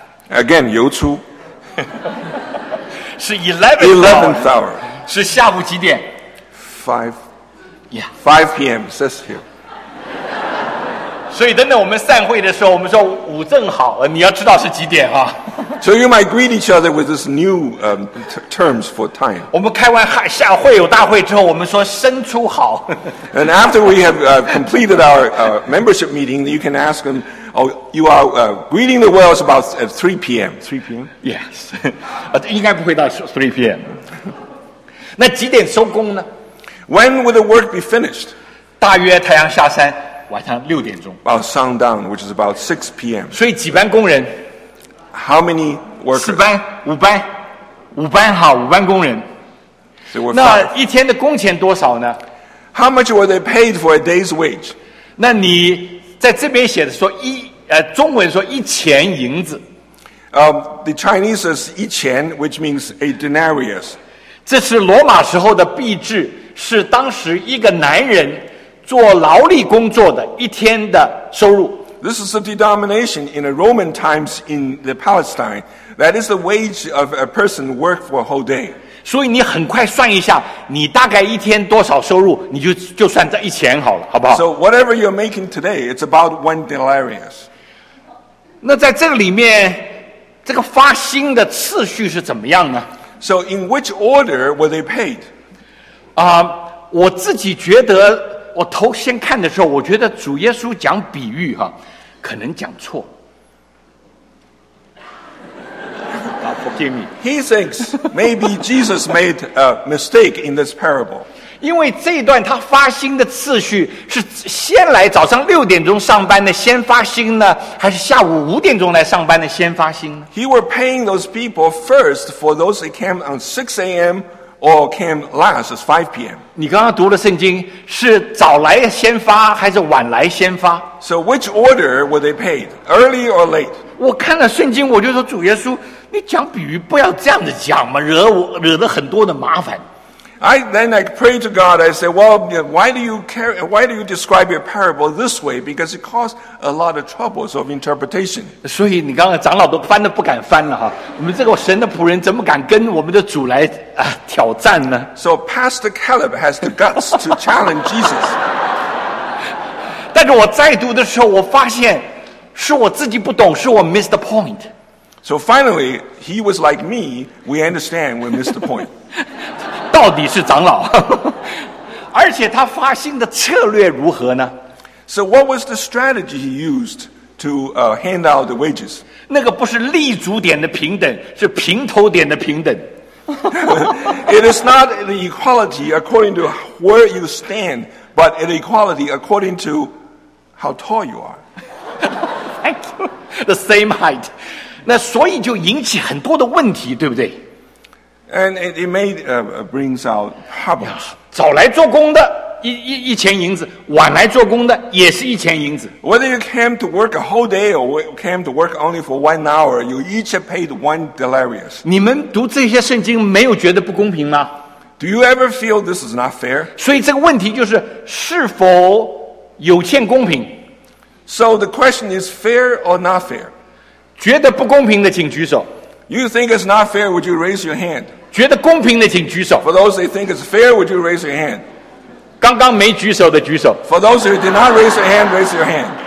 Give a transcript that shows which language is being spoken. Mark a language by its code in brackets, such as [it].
[zh] Again, 游初。 [en] 是 11th hour. 11th hour. [zh] 是下午几点？ [en] 5. Yeah. 5 p.m. says here. [zh] 所以等等我们散会的时候我们说午正好你要知道是几点啊。 [en] So you might greet each other with this new terms for time. [zh] 我们开完下会有大会之后我们说申初好。 [en] And after we have completed our membership meeting, you can ask them, oh, you are greeting the world about at 3 p.m. 3 p.m.? Yes. [zh] 应该不会到 [en] 3 p.m. [zh] 那几点收工呢？ [en] When will the work be finished? [zh] 大约太阳下山。晚上六点钟。 [en] About sundown, which is about 6 p.m. [zh] 所以几班工人 [en] ？How many workers？ [zh] 四班、五班、五班哈，五班工人。 [en] So、 [zh] 那一天的工钱多少呢 [en] ？How much were they paid for a day's wage？ [zh] 那你在这边写的说一中文说一钱银子。 [en] The Chinese says 一钱 which means a denarius。 [zh] 这是罗马时候的币制，是当时一个男人。做劳力工作的一天的收入。 [en] This is a denomination in the Roman times in the Palestine. That is the wage of a person work for a whole day. [zh] 所以你很快算一下，你大概一天多少收入，你就算这一钱好了，好不好 [en] ？So whatever you're making today, it's about one denarius. [zh] 那在这里面，这个发薪的次序是怎么样呢 [en] ？So in which order were they paid? [zh] 我自己觉得。我头先看的时候我觉得主耶稣讲比喻哈、啊，可能讲错 [en] forgive me. He thinks maybe Jesus made a mistake in this parable. [zh] 因为这一段他发薪的次序是先来早上六点钟上班的先发薪呢还是下午五点钟来上班的先发薪呢 [en] He were paying those people first for those that came on 6 a.m. Or came last is 5 p.m. [zh] 你刚刚读的圣经是早来先发还是晚来先发 [en] ？So which order were they paid, early or late? [zh] 我看了圣经，我就说主耶稣，你讲比喻不要这样子讲嘛，惹了很多的麻烦。 [en] I pray to God. I say, well, why do you describe your parable this way? Because it caused a lot of troubles of interpretation. [zh] 所以你刚刚长老都翻都不敢翻了哈。我们这个神的仆人怎么敢跟我们的主来挑战呢 [en] ？So Pastor Caleb has the guts to challenge Jesus. [zh] 但是我再读的时候，我发现是我自己不懂，是我 [en] miss the point. So finally, he was like me. We understand we missed the point. [zh] 到底是长老而且他发薪的策略如何呢 [en] So what was the strategy he used to hand out the wages? [zh] 那个不是立足点的平等是平头点的平等 [en] It is not the equality according to where you stand but an equality according to how tall you are Thank you The same height [zh] 那所以就引起很多的问题对不对 [en] And it may brings out problems. [zh] 早来做工的一钱银子，晚来做工的也是一钱银子。 [en] Whether you came to work a whole day or came to work only for one hour, you each paid one denarius. [zh] 你们读这些圣经没有觉得不公平吗 [en] ？Do you ever feel this is not fair? [zh] 所以这个问题就是是否有欠公平 [en] ？So the question is fair or not fair? [zh] 觉得不公平的请举手。 [en] You think it's not fair, would you raise your hand? [zh] 觉得公平的请举手。 [en] For those who think it's fair, would you raise your hand? [zh] 刚刚没举手的举手。 [en] For those who did not raise your hand, raise your hand.